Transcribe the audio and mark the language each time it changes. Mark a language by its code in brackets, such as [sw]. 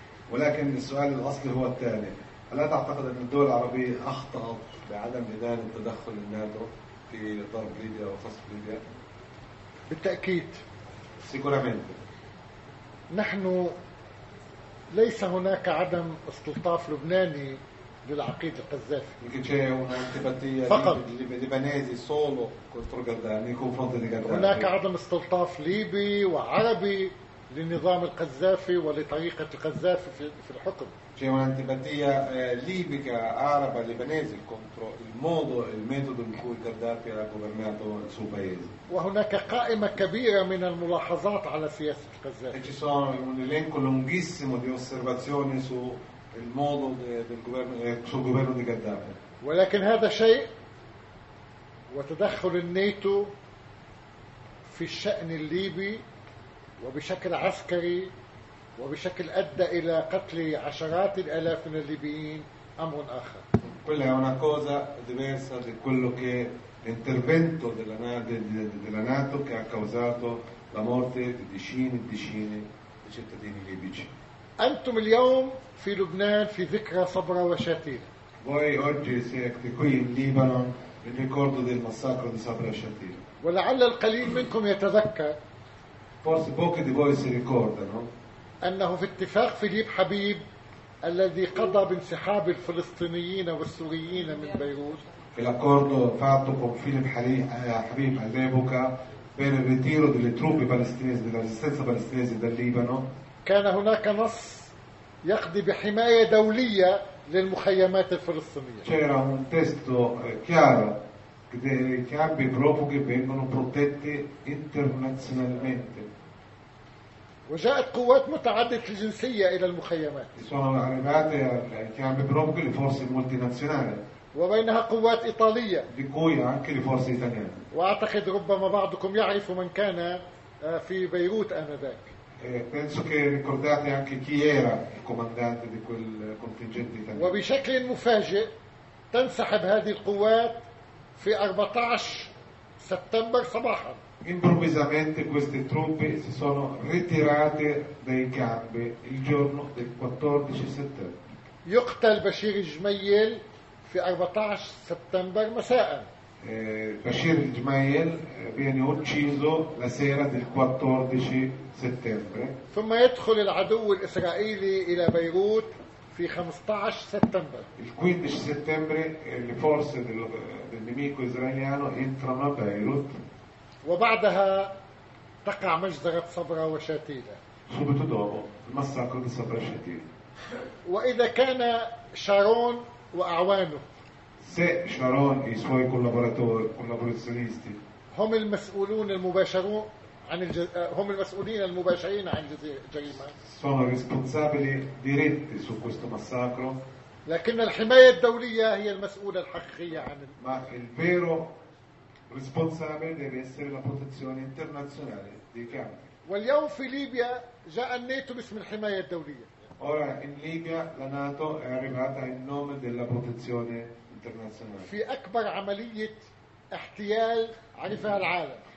[ar] ولكن السؤال الاصلي هو التالي: الا تعتقد ان الدول العربيه اخطات بعدم اذان التدخل الناتو في ضرب ليبيا وخصف ليبيا؟ بالتاكيد. [it] Sicuramente. [ar] نحن ليس هناك عدم استلطاف لبناني للعقيد القذافي فقط لبنانيزي [it] solo contro Gheddafi, confronto di Gheddafi. [ar] هناك عدم استلطاف ليبي وعربي لنظام القذافي ولطريقة القذافي في الحكم. [it] C'è un'antipatia libica araba libanese contro il modo e il metodo in cui Gheddafi ha governato il suo paese. [ar] وهناك قائمة كبيرة من الملاحظات على سياسة القذافي. [it] E ci sono un elenco lunghissimo di osservazioni su il modo del governo di Gheddafi. [ar] ولكن هذا شيء وتدخل الناتو في الشأن الليبي وبشكل عسكري وبشكل أدى إلى قتل عشرات الآلاف من الليبيين أمر آخر. [it] Quella è una cosa diversa di quello che l'intervento della NATO che ha causato la morte di decine e decine di cittadini libici. [ar] أنتم اليوم في لبنان في ذكرى صبرا وشاتيلا. [it] Voi oggi siete qui in Libano in ricordo del massacro di Sabra e Shatila. [ar] ولعل القليل منكم يتذكر. [it] Forse pochi di voi si ricordano. [ar] أنه في اتفاق فيليب حبيب الذي قضى بانسحاب الفلسطينيين والسوريين من بيروت. [it] L'accordo fatto con Philip Habib all'epoca per il ritiro delle truppe palestinesi, della resistenza palestinese dal Libano. [ar] كان هناك نص يقضي بحماية دولية للمخيمات الفلسطينية. [it] C'era un testo chiaro che i campi profughi vengono protetti internazionalmente. [ar] وجاءت قوات متعددة الجنسية إلى المخيمات. [it] Sono arrivate i campi profughi le forze multinazionali. [ar] وبينها قوات إيطالية. [it] Di cui anche le forze italiane. [ar] وأعتقد ربما بعضكم يعرف من كان في بيروت آنذاك. [it] Penso che ricordate anche chi era il comandante di quel contingente italiano. [ar] وبشكل مفاجئ تنسحب هذه القوات في 14 سبتمبر صباحا. [it] Improvvisamente queste truppe si sono ritirate dai campi il giorno del 14 settembre. [ar] يقتل بشير الجميل في 14 سبتمبر مساء. [it] Bashir Ismail viene ucciso la sera del 14 settembre. [ar] ثم يدخل العدو الإسرائيلي إلى بيروت في 15 سبتمبر. [it] Il 15 settembre le forze del nemico israeliano entrano a Beirut. [ar] وبعدها تقع مجزرة صبرا وشتيلة. [it] Subito dopo il massacro di Sabra e Shatila. [ar] وإذا كان شارون وأعوانه. [it] Se Sharon e i suoi collaboratori, collaborazionisti, [ar] هم المسؤولون المباشرون عن هم المسؤولين المباشرين عن الجريمة. [it] Sono responsabili diretti su questo massacro. [ar] لكن الحماية الدولية هي المسؤولة الحقيقية عن. [it] Ma il vero responsabile deve essere la protezione internazionale dei campi. [ar] واليوم في ليبيا جاء الناتو باسم الحماية الدولية. [it] Ora in Libia la NATO è arrivata in nome della protezione internazionale. [ar] في أكبر عملية احتيال عرفها العالم.